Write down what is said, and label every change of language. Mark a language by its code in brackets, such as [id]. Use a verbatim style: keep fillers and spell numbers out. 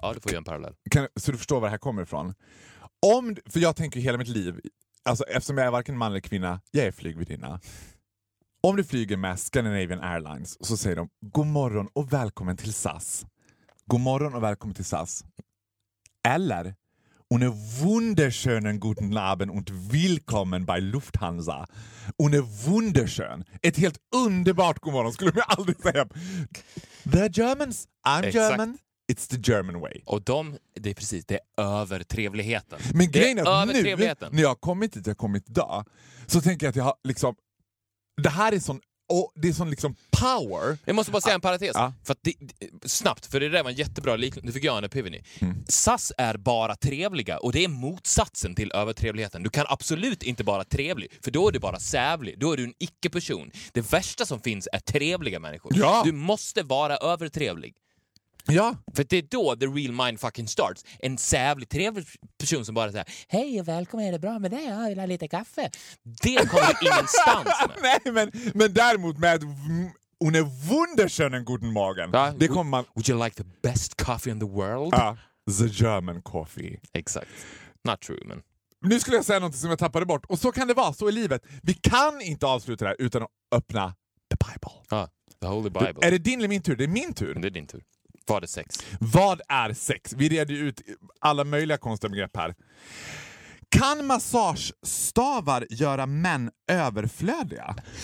[sv] Ja, du får göra en parallell. Kan, så du förstår var det här kommer ifrån. Om, för jag tänker hela mitt liv... Alltså, eftersom jag är varken man eller kvinna. Jag är flygvärdinna. Om du flyger med Scandinavian Airlines så säger de god morgon och välkommen till S A S. God morgon och välkommen till S A S. [de] Eller Ohne wunderschönen guten Abend und willkommen bei Lufthansa. Ohne wunderschön. [sv] Ett helt underbart god morgon skulle man aldrig säga. [en] The Germans, I'm exakt. German. It's the German way. [sv] Och de, det är precis, det är övertrevligheten. Men det grejen är att nu, när jag har kommit dit, jag har kommit idag, så tänker jag att jag har liksom det här är sån, och det är sån liksom power. Jag måste bara säga en parentes. Ja. För att det, snabbt, för det där var en jättebra liknande. Nu fick jag en epiveni. Mm. S A S är bara trevliga och det är motsatsen till övertrevligheten. Du kan absolut inte bara trevlig, för då är du bara sävlig. Då är du en icke-person. Det värsta som finns är trevliga människor. Ja. Du måste vara övertrevlig. Ja. För det är då [en] the real mind fucking starts. [sv] En sävlig, trevlig person som bara säger hej och välkommen, är det bra med dig? Jag vill ha lite kaffe. Det kommer ingenstans med. Nej, men, men däremot med [de] Ohne wunderschönen guten Morgen. [sv] Ja. Det kommer man... [en] Would you like the best coffee in the world? Ja, the German coffee. [sv] Exakt. [en] Not true, [sv] men... Nu skulle jag säga något som jag tappade bort. Och så kan det vara, så i livet. Vi kan inte avsluta det här utan att öppna [en] the Bible. Ja, the Holy Bible. [sv] Du, är det din eller min tur? Det är min tur. Det är din tur. Vad är sex? Vad är sex? Vi reder ju ut alla möjliga konstiga begrepp här. Kan massagestavar göra män överflödiga?